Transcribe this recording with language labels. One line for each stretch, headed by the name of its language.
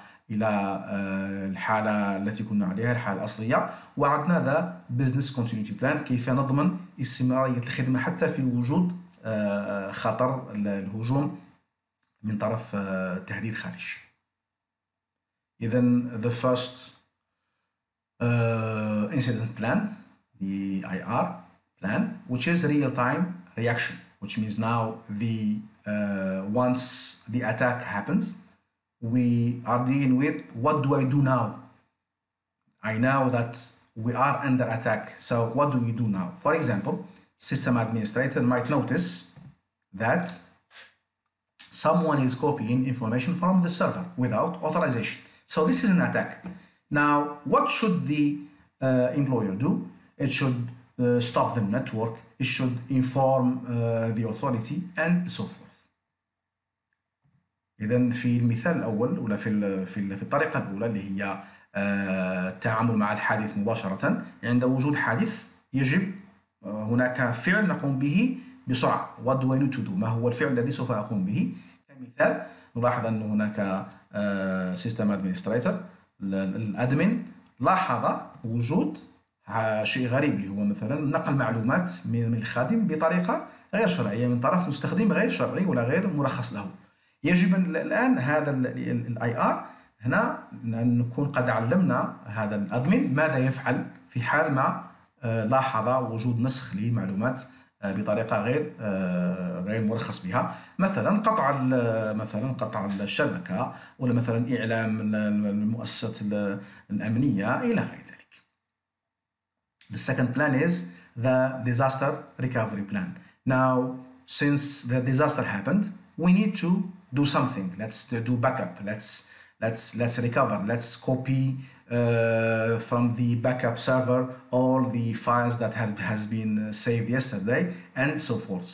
Arabic: إلى الحالة التي كنا عليها، الحالة الأصلية، وعندنا
English: the business continuity plan
Arabic: كيف نضمن استمرارية الخدمة حتى في وجود خطر الهجوم من طرف تهديد خارجي. إذن
English: the first incident plan, the IR plan, which is real-time reaction, which means now the once the attack happens, we are dealing with what do I do now? I know that we are under attack, so what do we do now? For example, system administrator might notice that someone is copying information from the server without authorization. So this is an attack. Now, what should the employer do? It should stop the network. It should inform the authority and so forth.
Arabic: إذن في المثال الأول ولا في الطريقة الأولى اللي هي التعامل مع الحادث مباشرة، عند وجود حادث يجب هناك فعل نقوم به بسرعة.
English: What do I need to do؟
Arabic: ما هو الفعل الذي سوف أقوم به؟ كمثال نلاحظ أن هناك
English: system administrator
Arabic: الادمن لاحظ وجود شيء غريب اللي هو مثلا نقل معلومات من الخادم بطريقه غير شرعيه من طرف مستخدم غير شرعي ولا غير مرخص له. يجب الان هذا الاي ار هنا ان نكون قد علمنا هذا الادمن ماذا يفعل في حال ما لاحظ وجود نسخ لمعلومات بطريقه غير مرخص بها، مثلا قطع الشبكه، ولا مثلا اعلام المؤسسه الامنيه الى غير ذلك.
English: The second plan is the disaster recovery plan. Now since the disaster happened, we need to do something. Let's do backup. Let's recover. Let's copy from the backup server all the files that has been saved yesterday and so forth.